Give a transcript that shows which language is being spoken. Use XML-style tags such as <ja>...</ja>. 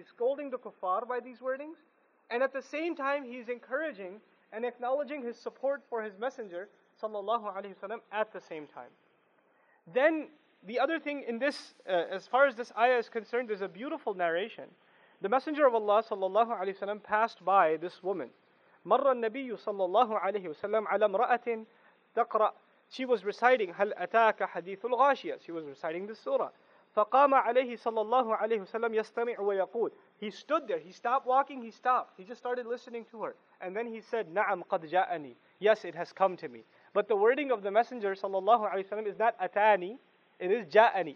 <en>He's scolding the kuffar by these wordings, and at the same time, He's encouraging and acknowledging His support for His messenger, sallallahu alayhi wa sallam, at the same time. Then, the other thing in this, as far as this ayah is concerned, is a beautiful narration. The Messenger of Allah sallallahu alayhi wa sallam passed by this woman.</en> <ar>مَرَّ النَّبِيُّ sallallahu alayhi wa sallam عَلَى مْرَأَةٍ تَقْرَأ.</ar> <en>She was reciting,</en> <ar>هَلْ أَتَاكَ حَدِيثُ الْغَاشِيَةِ.</ar> <en>She was reciting this surah.</en> <ar>فَقَامَ عَلَيْهِ</ar> <en>sallallahu alayhi wa sallam</en> <ar>يَسْتَمِعُ وَيَقُولُ.</ar> <en>He stood there, he stopped walking, he stopped. He just started listening to her. And then he said,</en> <ar>نَعَمْ قَدْ جَاءَنِي.</ar> <en>Yes, it has come to me. But the wording of the Messenger sallallahu alayhi wa sallam is not أتاني. It is ja'ani.</en>